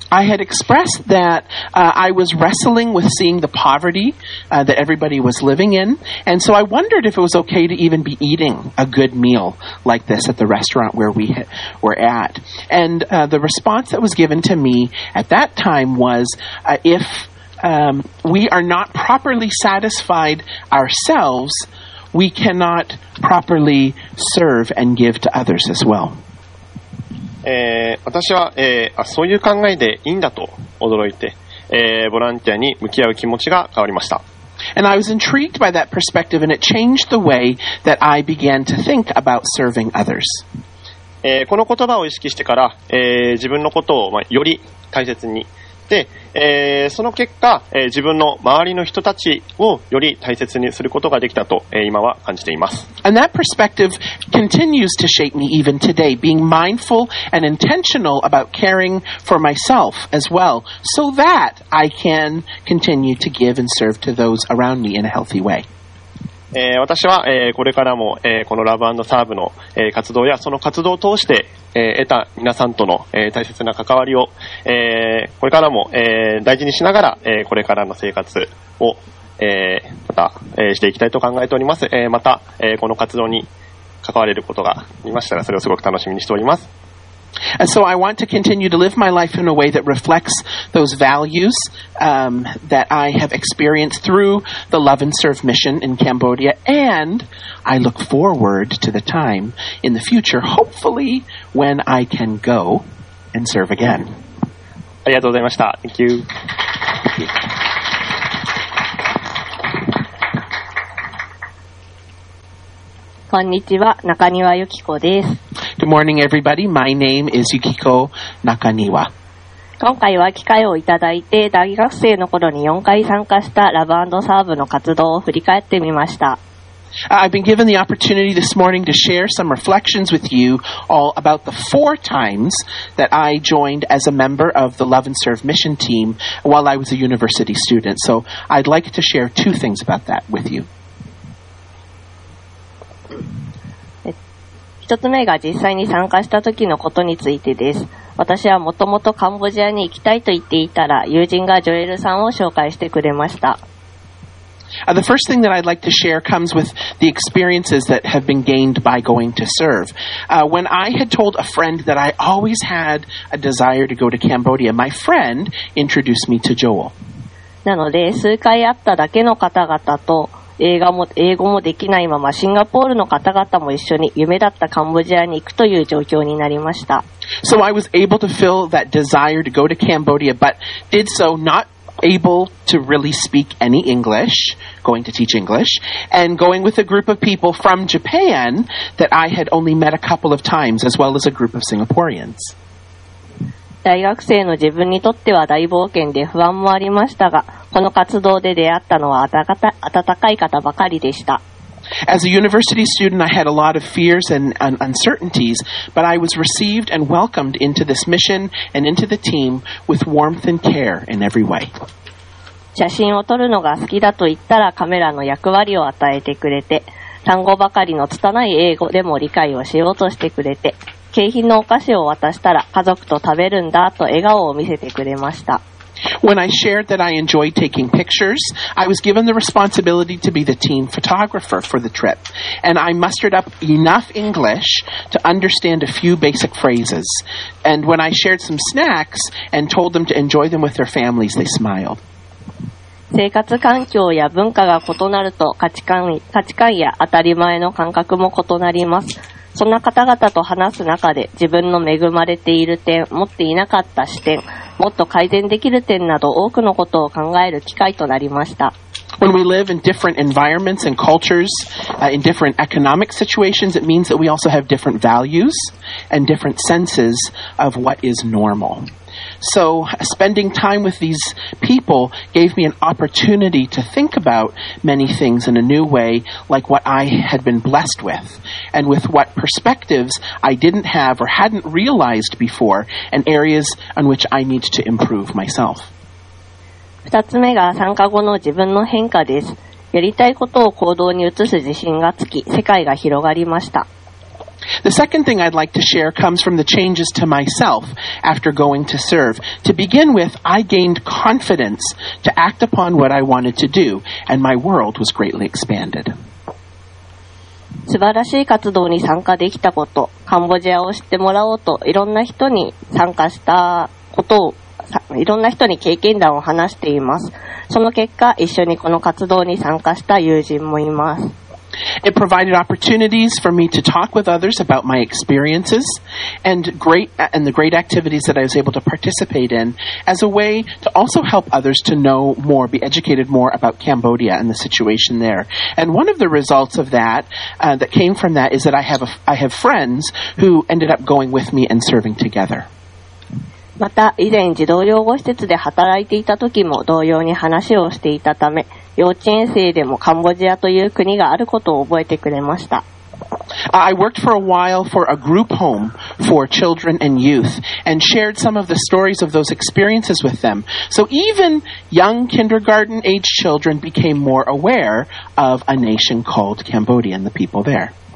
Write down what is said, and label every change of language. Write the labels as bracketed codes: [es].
[en] I had expressed that I was wrestling with seeing the poverty that everybody was living in, and so I wondered if it was okay to even be eating a good meal like this at the restaurant where we were at. And the response that was given to me at that time was if we are not properly satisfied ourselves,We cannot properly serve and give to others as well. [ja] 私は、そういう考えでいいんだと驚いて、ボランティアに向き合う気持ちが変わりました。 [en] And I was intrigued by that perspective, and it changed the way that I began to think about serving others. [ja] この言葉を意識してから、自分のことを、より大切に。で、その結果、自分の周りの人たちをより大切にすることができたと、今は感じています。 [en] And that perspective continues to shape me even today, being mindful and intentional about caring for myself as well, so that I can continue to give and serve to those around me in a healthy way. [ja] 私は、これからも、このラブ&サーブの、活動やその活動を通して、得た皆さんとの、大切な関わりを、これからも、大事にしながら、これからの生活を、また、していきたいと考えております。また、この活動に関われることがありましたら、それをすごく楽しみにしております。 [en] And so I want to continue to live my life in a way that reflects those values, that I have experienced through the Love and Serve mission in Cambodia. And I look forward to the time in the future, hopefully, when I can go and serve again. [ja] ありがとうございました。 [en] Thank you. Thank you. [ja] こんにちは、中庭由紀子です。 [en] Good morning, everybody. My name is Yukiko Nakaniwa. [ja] 今回は機会をいただいて、大学生の頃に4回参加したラブ&サーブの活動を振り返ってみました。 [en] I've been given the opportunity this morning to share some reflections with you all about the 4 times that I joined as a member of the Love and Serve mission team while I was a university student. So I'd like to share 2 things about that with you. [ja] 一つ目が実際に参加した時のことについてです。私はもともとカンボジアに行きたいと言っていたら、友人がジョエルさんを紹介してくれました。 [en] The first thing that I'd like to share comes with the experiences that have been gained by going to serve. When I had told a friend that I always had a desire to go to Cambodia, my friend introduced me to Joel. [ja] なので、数回会っただけの方々と、英語もできないままシンガポールの方々も一緒に夢だったカンボジアに行くという状況になりました。 [en] So I was able to feel that desire to go to Cambodia, but did so not able to really speak any English, going to teach English, and going with a group of people from Japan that I had only met a couple of times, as well as a group of Singaporeans. [ja] 大学生の自分にとっては大冒険で不安もありましたが、この活動で出会ったのは温かい方ばかりでした。 [en] As a university student, I had a lot of fears and uncertainties, but I was received and welcomed into this mission and into the team with warmth and care in every way. [ja] 写真を撮るのが好きだと言ったらカメラの役割を与えてくれて、単語ばかりの拙い英語でも理解をしようとしてくれて、景品のお菓子を渡したら家族と食べるんだと笑顔を見せてくれました。 [en] When I shared that I enjoyed taking pictures, I was given the responsibility to be the team photographer for the trip. And I mustered up enough English to understand a few basic phrases. And when I shared some snacks and told them to enjoy them with their families, they smiled. [ja] 生活環境や文化が異なると価値観や当たり前の感覚も異なります。そんな方々と話す中で自分の恵まれている点、持っていなかった視点、もっと改善できる点など多くのことを考える機会となりました。 [en] When we live in different environments and cultures, in different economic situations, it means that we also have different values and different senses of what is normal. So spending time with these people gave me an opportunity to think about many things in a new way, like what I had been blessed with, and with what perspectives I didn't have or hadn't realized before, and areas on which I need to improve myself. [ja] 2つ目が参加後の自分の変化です。やりたいことを行動に移す自信がつき、世界が広がりました。 [en] The second thing I'd like to share comes from the changes to myself after going to serve. To begin with, I gained confidence to act upon what I wanted to do, and my world was greatly expanded. [ja] 素晴らしい活動に参加できたこと、カンボジアを知ってもらおうといろんな人に参加したことを、いろんな人に経験談を話しています。その結果、一緒にこの活動に参加した友人もいます。 [en] It provided opportunities for me to talk with others about my experiences and the great activities that I was able to participate in as a way to also help others to know more, be educated more about Cambodia and the situation there. And one of the results of that, that came from that is that I have friends who ended up going with me and serving together. [ja] また以前児童養護施設で働いていた時も同様に話をしていたため幼稚園生でもカンボジアという国があることを覚えてくれました。 [en] I worked for a while for a group home for children and youth and shared some of the stories of those experiences with them. So even young kindergarten age children became more aware of a nation called Cambodia and the people there.